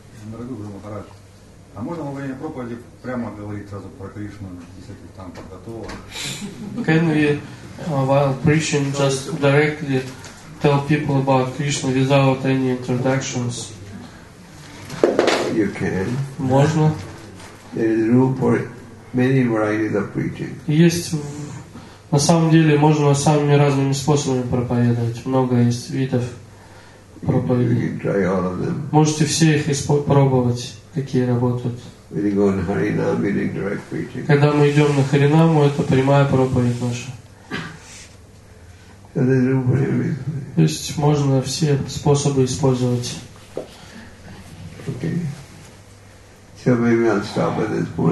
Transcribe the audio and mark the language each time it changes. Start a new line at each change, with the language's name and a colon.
Russian: Дорогой Гуру Махарадж, а можно во время проповеди прямо говорить сразу про Кришну, если там подготовлено?
English: Can we, while preaching, just directly tell people about Krishna without any introductions? You can.
Russian: Можно.
English: There is room for many varieties of preaching.
Russian: Есть. На самом деле, можно самыми разными способами проповедовать. Много есть видов проповеди. Можете все их пробовать, какие работают. Когда мы идем на Харинаму, это прямая проповедь наша. То есть можно все способы использовать.
English: Okay. So maybe I'll stop at this point.